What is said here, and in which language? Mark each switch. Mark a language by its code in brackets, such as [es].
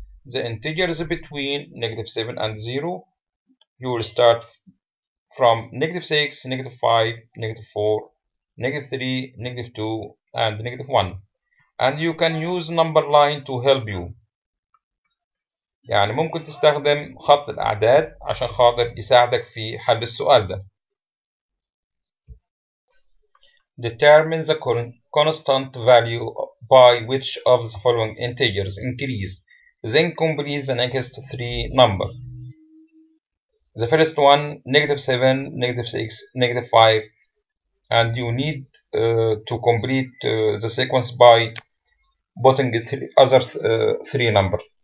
[en] The integers between negative 7 and 0, you will start from negative 6, negative 5, negative 4, negative 3, negative 2, and negative 1. And you can use number line to help you. [ar] يعني ممكن تستخدم خط الأعداد عشان خاطر يساعدك في حل السؤال ده. [en] Determine the constant value by which of the following integers increase. Then complete the next three numbers. The first one, negative 7, negative 6, negative 5, and you need to complete the sequence by putting three numbers.